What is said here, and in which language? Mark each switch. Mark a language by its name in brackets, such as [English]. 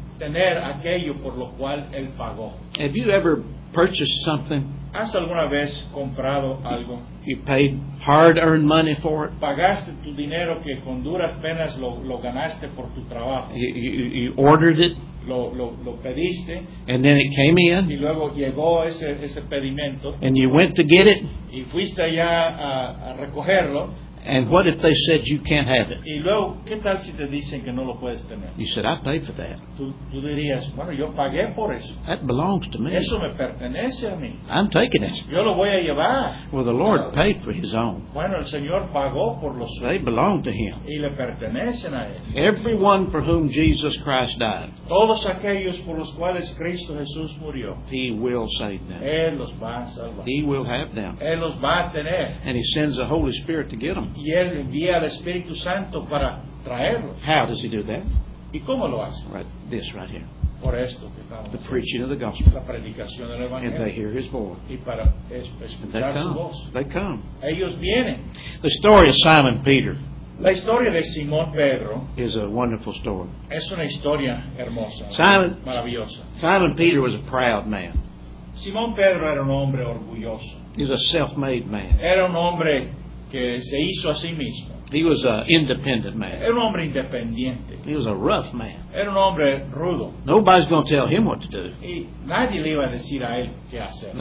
[Spanish] Tener aquello por lo cual él pagó. [English] Have you ever purchased something? [Spanish] ¿Has alguna vez comprado algo? [English] You paid hard-earned money for it. [Spanish] Pagaste tu dinero que con duras penas lo ganaste por tu trabajo. [English] You ordered it. [Spanish] Lo pediste. [English] And then it came in. [Spanish] Y luego llegó ese pedimento. [English] And you went to get it. [Spanish] Y fuiste allá a recogerlo. [English] And what if they said you can't have it? [Spanish] Y luego, ¿qué tal si te dicen que no lo puedes tener? [English] You said, I paid for that. [Spanish] Tú dirías, bueno, yo pagué por eso. [English] That belongs to me. [Spanish] Eso me pertenece a mí. [English] I'm taking it. [Spanish] Yo lo voy a llevar. [English] Well, the Lord paid for his own. [Spanish] Bueno, el Señor pagó por los suyos. [English] They belong to him. [Spanish] Y le pertenecen a él. [English] Everyone for whom Jesus Christ died. [Spanish] Todos aquellos por los cuales Cristo Jesús murió. [English] He will save them. [Spanish] Él los va a salvar. [English] He will have them. [Spanish] Él los va a tener. [English] And he sends the Holy Spirit to get them. [Spanish] Y él envía al Espíritu Santo para traerlo. [English] How does he do that? [Spanish] ¿Y cómo lo hace? [English] Right, this right here. [Spanish] Por esto que estamos. [English] The preaching of the gospel. [Spanish] La predicación del evangelio. [English] And they hear his voice. [Spanish] Y para escuchar su voz. [English] They come. [Spanish] Ellos vienen. [English] The story of Simon Peter. [Spanish] La historia de Simón Pedro [English] is a wonderful story. [Spanish] Es una historia hermosa. [English] Simon, [Spanish] maravillosa. [English] Simon Peter was a proud man. [Spanish] Simón Pedro era un hombre orgulloso. [English] He was a self-made man. [Spanish] Era un hombre que se hizo a sí mismo. [English] He was an independent man. [Spanish] Era un hombre independiente. [English] He was a rough man. [Spanish] Era un hombre rudo. [English] Nobody's going to tell him what to do. [Spanish] Y nadie le iba a decir a él qué hacer.